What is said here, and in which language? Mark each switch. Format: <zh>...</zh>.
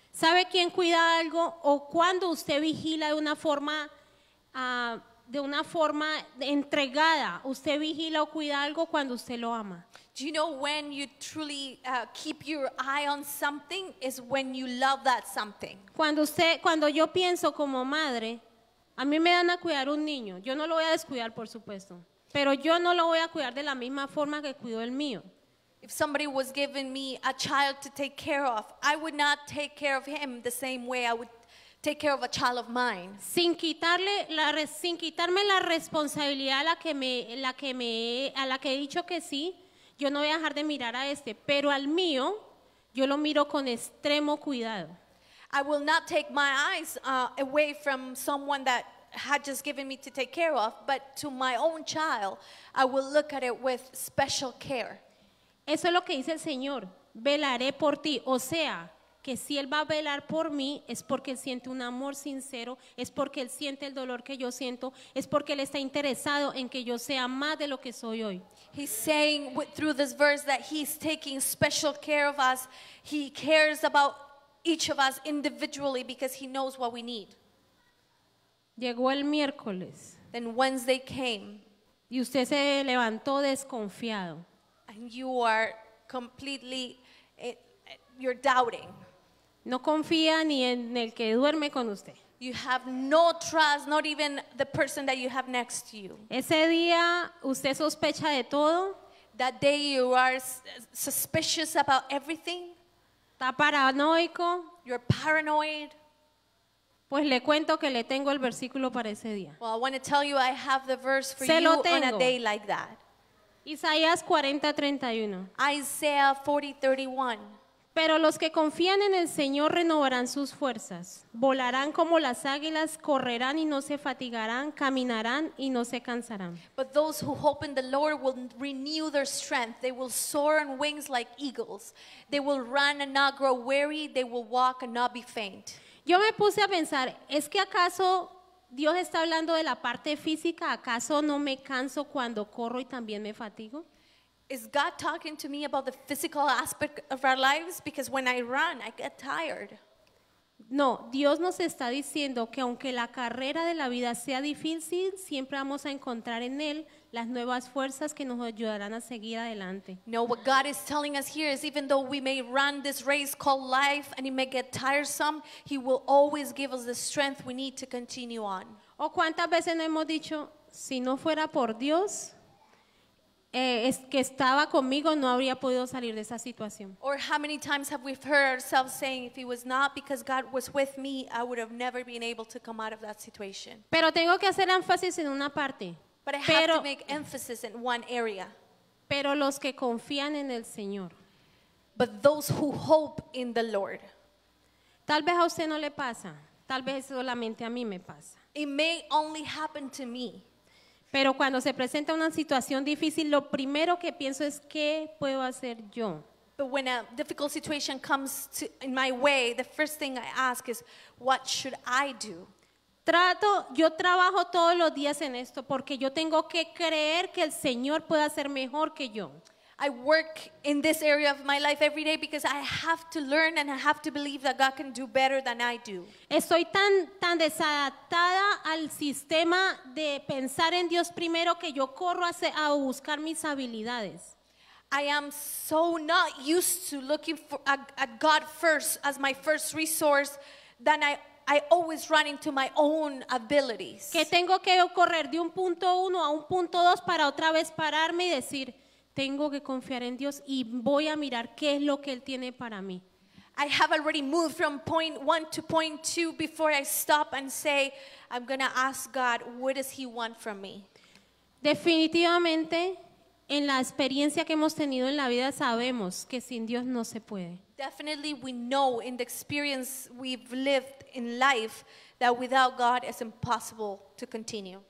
<es>¿Sabe quién cuida algo o cuando usted vigila de una forma entregada? ¿Usted vigila o cuida algo cuando usted lo ama?</es> <en>Do you know when you truly keep your eye on something is when you love that something.</en> <es>Cuando yo pienso como madre, a mí me dan a cuidar un niño. Yo no lo voy a descuidar, por supuesto, pero yo no lo voy a cuidar de la misma forma que cuido el mío.</es> <en>If somebody was giving me a child to take care of, I would not take care of him the same way I would take care of a child of mine.</en> <es>Sin quitarme la responsabilidad a la que he dicho que sí, yo no voy a dejar de mirar a este, pero al mío, yo lo miro con extremo cuidado.</es> <en>I will not take my eyes away from someone that had just given me to take care of, but to my own child, I will look at it with special care.</en> <es>Eso es lo que dice el Señor, velaré por ti, o sea, que si Él va a velar por mí, es porque Él siente un amor sincero, es porque Él siente el dolor que yo siento, es porque Él está interesado en que yo sea más de lo que soy hoy.</es> <en>He's saying through this verse that He's taking special care of us. He cares about each of us individually because He knows what we need.</en> <es>Llegó el miércoles.</es> <en>Then Wednesday came.</en> <es>Y usted se levantó desconfiado.</es> <en>And you are completely, you're doubting.</en> <es>No confía ni en el que duerme con usted.</es> <en>You have no trust, not even the person that you have next to you.</en> <es>Ese día usted sospecha de todo.</es> <en>That day you are suspicious about everything.</en> <es>Está paranoico.</es> <en>You're paranoid.</en> <es>Pues le cuento que le tengo el versículo para ese día.</es> <en>Well, I want to tell you I have the verse for you on a day like that.</en> <es>Isaías 40:31.</es> <en>Isaiah 40:31.</en> <es>Pero los que confían en el Señor renovarán sus fuerzas. Volarán como las águilas, correrán y no se fatigarán, caminarán y no se cansarán.</es> <en>But those who hope in the Lord will renew their strength. They will soar on wings like eagles. They will run and not grow weary. They will walk and not be faint.</en> <es>Yo me puse a pensar, ¿es que acaso Dios está hablando de la parte física? ¿Acaso no me canso cuando corro y también me fatigo?</es> <en>Is God talking to me about the physical aspect of our lives? Because when I run, I get tired.</en> <es>No, Dios nos está diciendo que aunque la carrera de la vida sea difícil, siempre vamos a encontrar en Él las nuevas fuerzas que nos ayudarán a seguir adelante.</es> <en>No, what God is telling us here is even though we may run this race called life and it may get tiresome, He will always give us the strength we need to continue on.</en> <es>¿O cuántas veces no hemos dicho, si no fuera por Dios, es que estaba conmigo, no habría podido salir de esa situación?</es> <en>Or how many times have we heard ourselves saying, if it was not because God was with me, I would have never been able to come out of that situation.</en> <es>Pero tengo que hacer énfasis en una parte.</es> <en>But I have to make emphasis in one area.</en> <es>Pero los que confían en el Señor.</es> <en>But those who hope in the Lord.</en> <es>Tal vez a usted no le pasa. Tal vez solamente a mí me pasa.</es> <en>It may only happen to me.</en> <es>Pero cuando se presenta una situación difícil, lo primero que pienso es ¿qué puedo hacer yo?</es> <en>But when a difficult situation comes to, in my way, the first thing I ask is, what should I do?</en> <es>Yo trabajo todos los días en esto porque yo tengo que creer que el Señor puede hacer mejor que yo.</es> <en>I work in this area of my life every day because I have to learn and I have to believe that God can do better than I do.</en> <es>Estoy tan desadaptada al sistema de pensar en Dios primero que yo corro a buscar mis habilidades.</es> <en>I am so not used to looking for at God first as my first resource than I always run into my own abilities.</en> <es>Que tengo que correr de un punto uno a un punto dos para otra vez pararme y decir, tengo que confiar en Dios y voy a mirar qué es lo que Él tiene para mí.</es> <en>I have already moved from point one to point two before I stop and say, I'm going to ask God, what does He want from me?</en> <es>Definitivamente, en la experiencia que hemos tenido en la vida, sabemos que sin Dios no se puede.</es> <en>Definitely, we know in the experience we've lived in life that without God it's impossible to continue.</en>